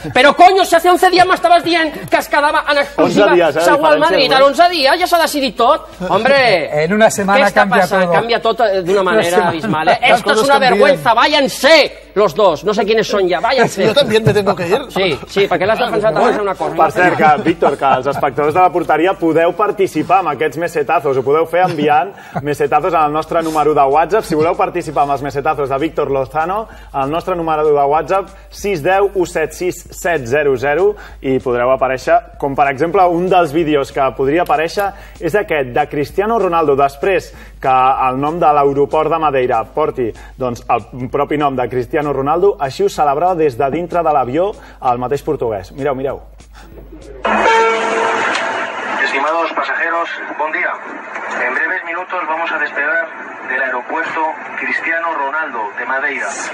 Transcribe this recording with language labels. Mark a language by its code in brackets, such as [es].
[ca] Però, coño, [es] si hace 11 días me estabas [ca] dient que es quedava en exclusiva segur al Madrid. En 11 días ja s'ha decidit tot. Hombre, [es] en una semana cambia todo. Cambia todo de una manera abismal. Esto es una vergüenza, váyanse los dos. No sé quiénes son ya, váyanse. Yo también me tengo que ir. [ca] Sí, perquè l'has defensat a una cosa. Per cert, Víctor, que els espectadors de la porteria podeu participar amb aquests mesetazos. Ho podeu fer enviant mesetazos al nostre número de WhatsApp. Si voleu participar amb els mesetazos de Víctor Lozano, el nostre número de WhatsApp 610-176-700 i podreu aparèixer, com per exemple un dels vídeos que podria aparèixer és aquest de Cristiano Ronaldo després que el nom de l'aeroport de Madeira porti el propi nom de Cristiano Ronaldo, així ho celebrava des de dintre de l'avió el mateix portuguès. Mireu, mireu. [es] Estimados pasajeros, bon dia. En breves minutos vamos a despegar del aeropuerto Cristiano Ronaldo de Madeira.